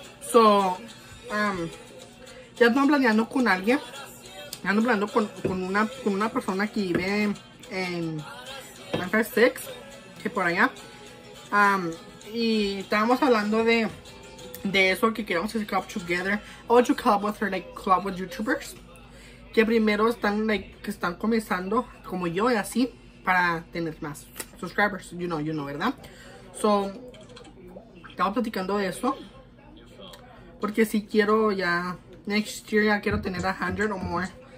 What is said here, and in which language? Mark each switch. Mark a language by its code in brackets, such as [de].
[es] So, ya ando planeando con alguien, ya ando planeando con una persona que vive en [en] My friend Six, [es] que por allá. Y estábamos hablando de eso, que queríamos hacer [en] club together. I want to club with her, like, club with YouTubers. [es] Que primero están, like, que están comenzando, como yo y así, para tener más subscribers. [en] You know, [es] ¿verdad? So, estaba platicando de eso. Porque si quiero ya, [en] next year [es] ya quiero tener 100 o [en] more.